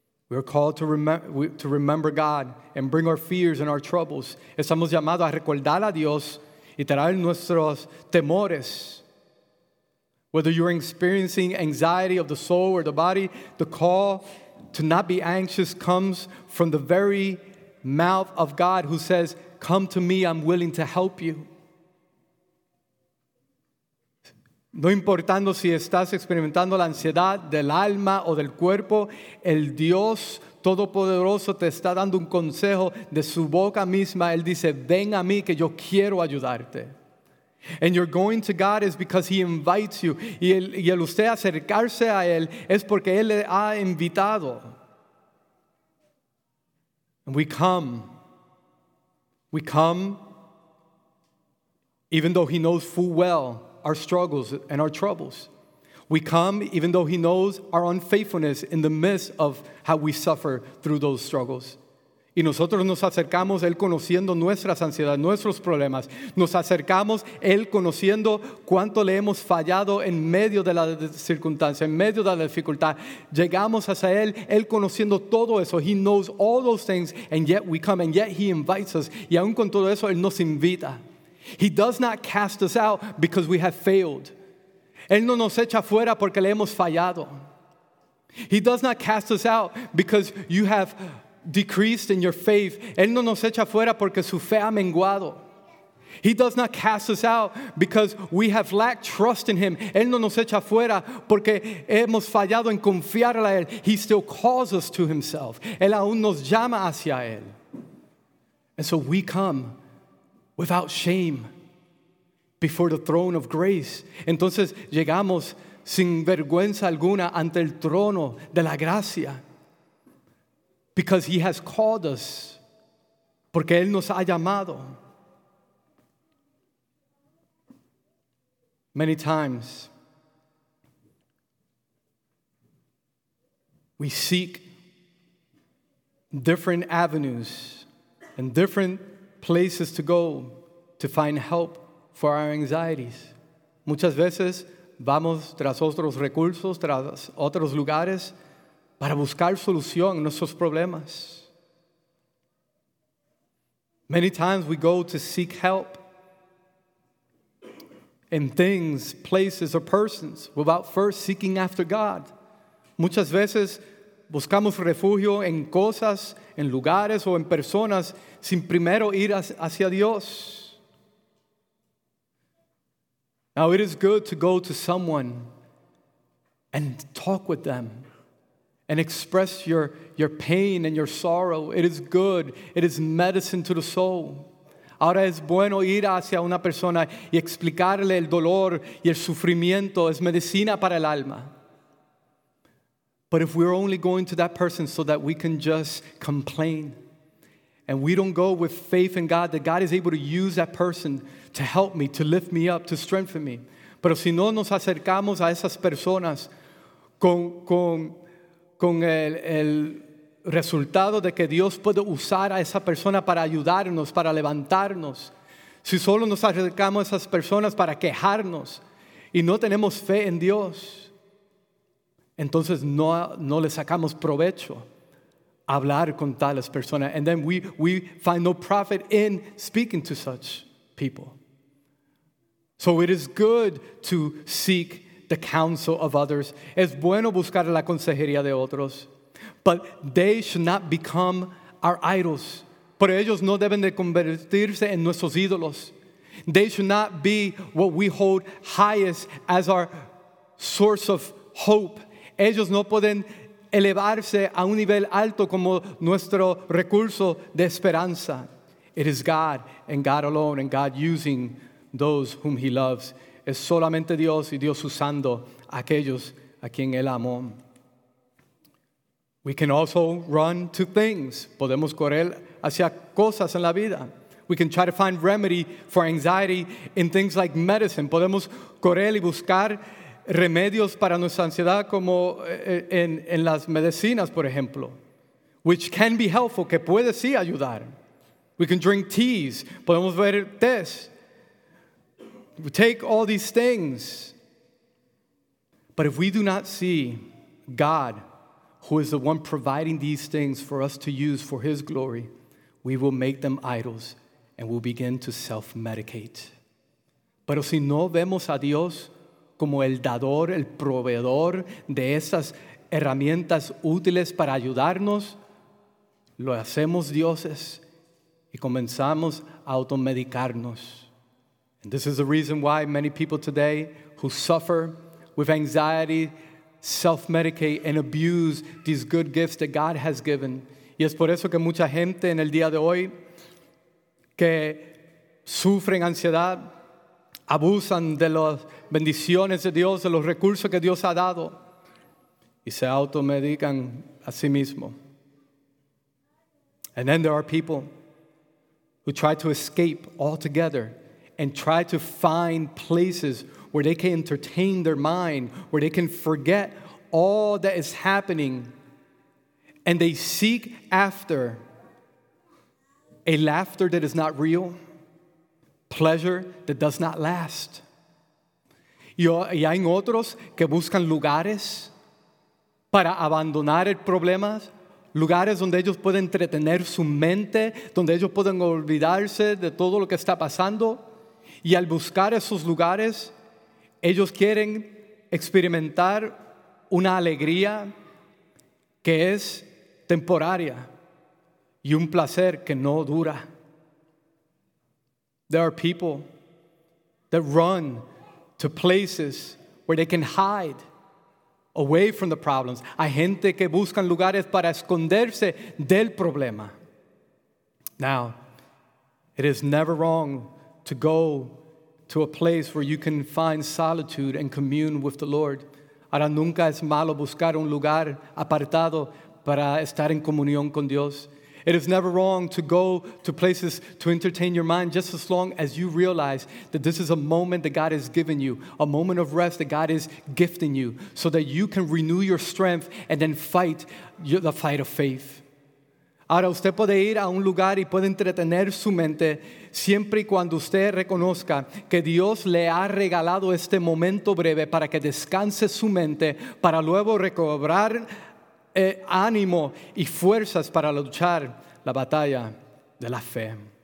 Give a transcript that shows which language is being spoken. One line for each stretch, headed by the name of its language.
English: We are called to remember God and bring our fears and our troubles.
Spanish: Estamos llamados a recordar a Dios y traer nuestros temores.
English: Whether you're experiencing anxiety of the soul or the body, the call to not be anxious comes from the very mouth of God who says, come to me, I'm willing to help you.
Spanish: No importando si estás experimentando la ansiedad del alma o del cuerpo, el Dios Todopoderoso te está dando un consejo de su boca misma. Él dice, ven a mí que yo quiero ayudarte.
English: And you're going to God is because he invites you.
Spanish: Y el usted acercarse a él es porque él le ha invitado.
English: And we come. We come, even though he knows full well our struggles and our troubles. We come, even though he knows our unfaithfulness in the midst of how we suffer through those struggles.
Spanish: Y nosotros nos acercamos él conociendo nuestras ansiedades, nuestros problemas. Nos acercamos él conociendo cuánto le hemos fallado en medio de la circunstancia, en medio de la dificultad. Llegamos hacia él conociendo todo eso.
English: He knows all those things, and yet we come, and yet he invites us.
Spanish: Y aún con todo eso, él nos invita.
English: He does not cast us out because we have failed.
Spanish: Él no nos echa fuera porque le hemos fallado.
English: He does not cast us out because you have decreased in your faith.
Spanish: Él no nos echa fuera porque su fe ha menguado.
English: He does not cast us out because we have lacked trust in him.
Spanish: Él no nos echa fuera porque hemos fallado en confiar a él.
English: He still calls us to himself.
Spanish: Él aún nos llama hacia él.
English: And so we come without shame before the throne of grace.
Spanish: Entonces llegamos sin vergüenza alguna ante el trono de la gracia.
English: Because he has called us.
Spanish: Porque él nos ha llamado.
English: Many times we seek different avenues and different places to go to find help for our anxieties.
Spanish: Muchas veces vamos tras otros recursos, tras otros lugares para buscar solución a nuestros problemas.
English: Many times we go to seek help in things, places, or persons without first seeking after God.
Spanish: Muchas veces buscamos refugio en cosas, en lugares, o en personas sin primero ir hacia Dios.
English: Now it is good to go to someone and talk with them and express your pain and your sorrow. It is good. It is medicine to the soul.
Spanish: Ahora es bueno ir hacia una persona y explicarle el dolor y el sufrimiento. Es medicina para el alma.
English: But if we're only going to that person so that we can just complain, and we don't go with faith in God, that God is able to use that person to help me, to lift me up, to strengthen me.
Spanish: Pero si no nos acercamos a esas personas con el resultado de que Dios puede usar a esa persona para ayudarnos, para levantarnos. Si solo nos acercamos a esas personas para quejarnos y no tenemos fe en Dios, entonces no le sacamos provecho a hablar con tales personas.
English: And then we find no profit in speaking to such people. So it is good to seek the counsel of others.
Spanish: Es bueno buscar la consejería de otros.
English: But they should not become our idols.
Spanish: Pero ellos no deben de convertirse en nuestros ídolos.
English: They should not be what we hold highest as our source of hope.
Spanish: Ellos no pueden elevarse a un nivel alto como nuestro recurso de esperanza.
English: It is God and God alone and God using those whom he loves.
Spanish: Es solamente Dios y Dios usando a aquellos a quien él amó.
English: We can also run to things.
Spanish: Podemos correr hacia cosas en la vida.
English: We can try to find remedy for anxiety in things like medicine.
Spanish: Podemos correr y buscar remedios para nuestra ansiedad como en las medicinas, por ejemplo.
English: Which can be helpful,
Spanish: que puede sí ayudar.
English: We can drink teas.
Spanish: Podemos beber tés.
English: We take all these things. But if we do not see God, who is the one providing these things for us to use for his glory, we will make them idols and we'll begin to self-medicate.
Spanish: Pero si no vemos a Dios como el dador, el proveedor de esas herramientas útiles para ayudarnos, lo hacemos dioses y comenzamos a automedicarnos.
English: And this is the reason why many people today who suffer with anxiety self-medicate and abuse these good gifts that God has given.
Spanish: Y es por eso que mucha gente en el día de hoy que sufren ansiedad abusan de las bendiciones de Dios, de los recursos que Dios ha dado, y se automedican a sí mismo.
English: And then there are people who try to escape altogether and try to find places where they can entertain their mind, where they can forget all that is happening, and they seek after a laughter that is not real, pleasure that does not last.
Spanish: Y hay otros que buscan lugares para abandonar el problema, lugares donde ellos pueden entretener su mente, donde ellos pueden olvidarse de todo lo que está pasando, y al buscar esos lugares, ellos quieren experimentar una alegría que es temporaria y un placer que no dura.
English: There are people that run to places where they can hide away from the problems.
Spanish: Hay gente que buscan lugares para esconderse del problema.
English: Now, it is never wrong to go to a place where you can find solitude and commune with the Lord.
Spanish: Ahora nunca es malo buscar un lugar apartado para estar en comunión con Dios.
English: It is never wrong to go to places to entertain your mind just as long as you realize that this is a moment that God has given you, a moment of rest that God is gifting you so that you can renew your strength and then fight the fight of faith.
Spanish: Ahora usted puede ir a un lugar y puede entretener su mente siempre y cuando usted reconozca que Dios le ha regalado este momento breve para que descanse su mente para luego recobrar ánimo y fuerzas para luchar la batalla de la fe.